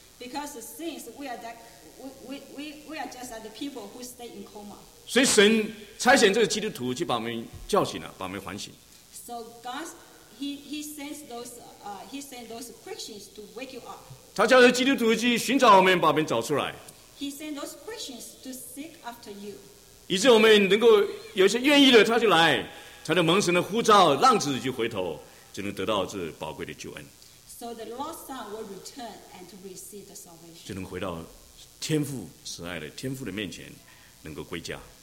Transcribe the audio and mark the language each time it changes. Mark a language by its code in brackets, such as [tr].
[en] Because the sins, we are just like the people who stay in coma. [zh] 所以神差遣这个基督徒去把我们叫醒了，把我们唤醒。 [en] So God, He sends those, He sends those Christians to wake you up. [zh] 他叫着基督徒去寻找我们，把我们找出来。 [en] He sends those Christians to seek after you. [zh] 以致我们能够有些愿意的，他就来，他就蒙神的呼召，浪子就回头，就能得到这宝贵的救恩。 [en] So the lost son will return and to receive the salvation. [zh] 就能回到天父慈爱的天父的面前，能够归家。